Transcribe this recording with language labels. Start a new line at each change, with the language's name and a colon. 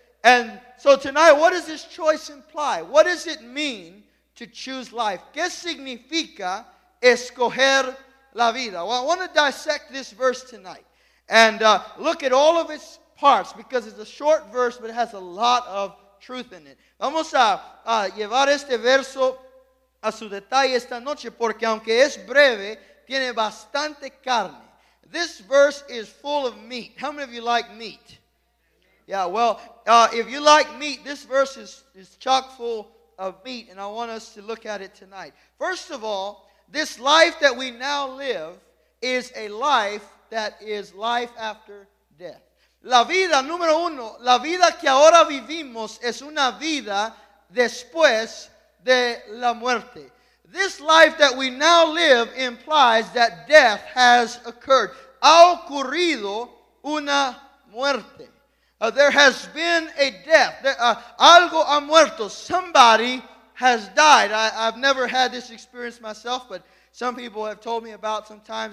English: And so tonight, what does this choice imply? What does it mean to choose life?
Spanish: ¿Qué significa escoger la vida?
English: Well, I want to dissect this verse tonight and look at all of its parts because it's a short verse, but it has a lot of truth in it.
Spanish: Vamos a llevar este verso a su detalle esta noche porque aunque es breve, tiene bastante carne.
English: This verse is full of meat. How many of you like meat? Yeah, well, if you like meat, this verse is chock full of meat, and I want us to look at it tonight. First of all, this life that we now live is a life that is life after death.
Spanish: La vida, número uno, la vida que ahora vivimos es una vida después de la muerte.
English: This life that we now live implies that death has occurred.
Spanish: Ha ocurrido una muerte.
English: There has been a death.
Spanish: Algo ha muerto.
English: Somebody has died. I've never had this experience myself, but some people have told me about sometimes.